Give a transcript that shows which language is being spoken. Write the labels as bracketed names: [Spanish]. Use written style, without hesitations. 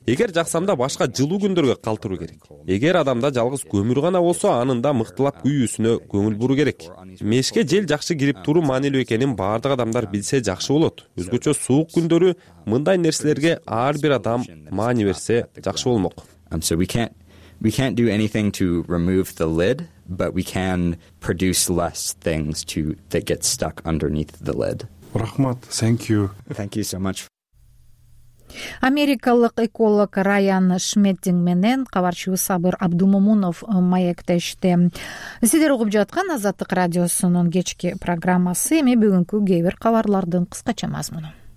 [Kyrgyz] Эгер жаксам да башка жылуу күндөргө калтыруу керек. Эгер адамда жалгыз көмүр гана болсо, анын да мыктылап күйүүсүнө көңүл буруу керек. Мешке жел жакшы кирип туруу маанилүү экенин баардык адамдар билсе жакшы болот. Өзгөчө суук күндөрү мындай нерселерге ар бир адам маани берсе жакшы болмок. [English] We can't do anything to remove the lid, but we can produce less things that get stuck underneath the lid. [Kyrgyz] Рахмат, [English] thank you. Thank you so much. [Kyrgyz] Америкалык эколог Райан Шметтинг менен кабарчыбыз Сабыр Абдумомунов маектеште. Сиздер угуп жаткан Азаттык радиосунун кечки программасы, эми бүгүнкү кээ бир кабарлардын кыскача мазмуну.